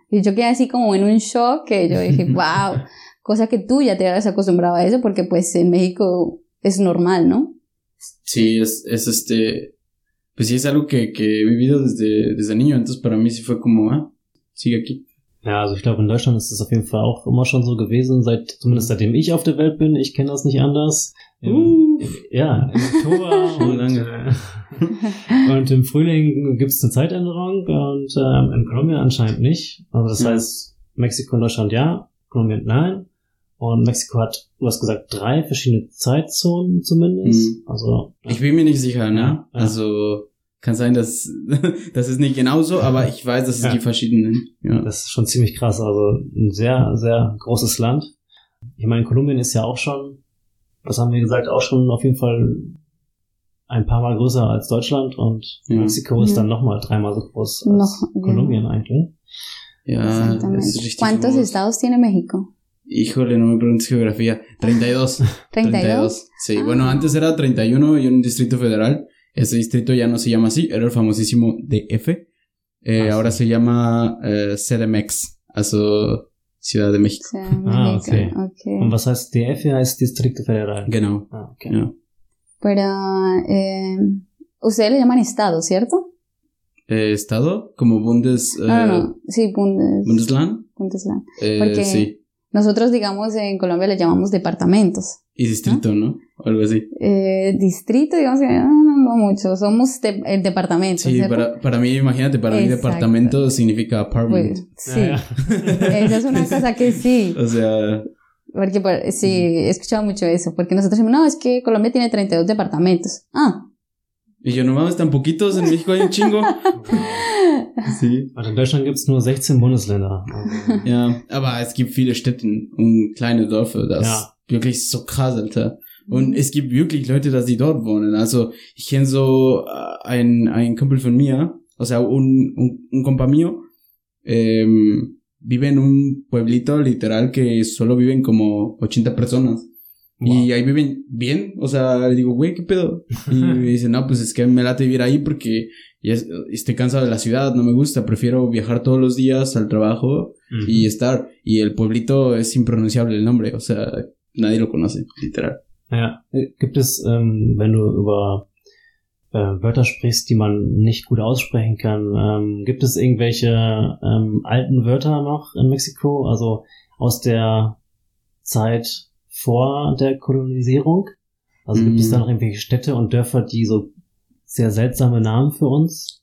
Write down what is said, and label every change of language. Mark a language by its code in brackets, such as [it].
[es] Y yo quedé así como en un shock, que yo dije, wow, cosa que tú ya te habías acostumbrado a eso, porque pues en México, es normal, ¿no? Sí, es pues sí, es algo que he vivido desde niño, entonces para mí sí fue como, sigue aquí. [de] Ja, also ich glaube, in Deutschland ist es auf jeden Fall auch immer schon so gewesen, seitdem ich auf der Welt bin, ich kenne das nicht anders. Im Oktober und im Frühling gibt es eine Zeitänderung und in Kolumbien anscheinend nicht. Also das heißt, Mexiko und Deutschland ja, Kolumbien nein. Und Mexiko hat, du hast gesagt, drei verschiedene Zeitzonen zumindest. Mhm. Also ich bin mir nicht sicher, ne? Ja. Also kann sein, dass es nicht genauso, aber ich weiß, dass es die verschiedenen. Ja. Das ist schon ziemlich krass. Also ein sehr, sehr großes Land. Ich meine, Kolumbien ist ja auch schon, was haben wir gesagt, auch schon auf jeden Fall ein paar Mal größer als Deutschland. Und Mexiko ist dann nochmal dreimal so groß als Kolumbien eigentlich. Ja, das ist richtig. [es] ¿Cuántos estados tiene México? Híjole, no me preguntes geografía. 32. ¿32? Sí, bueno, antes era 31 y un distrito federal. Ese distrito ya no se llama así, era el famosísimo DF. Ahora se llama CDMX, also Ciudad de México. Okay. ¿Y [de] was heißt [es] DF? Es distrito federal. [de] Genau. Ah, okay. [en] Yeah. [es] Pero, ustedes le llaman estado, ¿cierto? ¿Estado? ¿Como Bundes...? No. Sí, Bundes... ¿Bundesland? Porque... Sí. Nosotros, digamos, en Colombia le llamamos departamentos. Y distrito, ¿no? ¿No? Algo así. Distrito, digamos, que no mucho. Somos el departamento. Sí, para mí, imagínate, para mí departamento significa apartment. Pues, sí. Esa es una cosa que sí. O sea... Porque sí, he escuchado mucho eso. Porque nosotros decimos, no, es que Colombia tiene 32 departamentos. Ah. Y yo, no mames, tan poquitos, en México hay un chingo. Sí. [de] Aber in Deutschland gibt es nur 16 Bundesländer. Ja, aber es gibt viele Städte und kleine Dörfer, das wirklich so krass, Alter. Und es gibt wirklich Leute, dass die dort wohnen. Also ich kenne so einen Kumpel von mir, also [es] un compa mío, vive en un pueblito literal que solo viven como 80 personas. Wow. Y ahí viven bien, o sea, le digo, güey, ¿qué pedo? Y me dice, no, pues es que me late vivir ahí porque ya estoy cansado de la ciudad, no me gusta, prefiero viajar todos los días al trabajo y estar. Y el pueblito es impronunciable el nombre, o sea, nadie lo conoce, literal. [de] Ja, gibt es, wenn du über Wörter sprichst, die man nicht gut aussprechen kann, gibt es irgendwelche alten Wörter noch in Mexiko, also aus der Zeit... vor der Kolonisierung? Also gibt es da noch irgendwelche Städte und Dörfer, die so sehr seltsame Namen für uns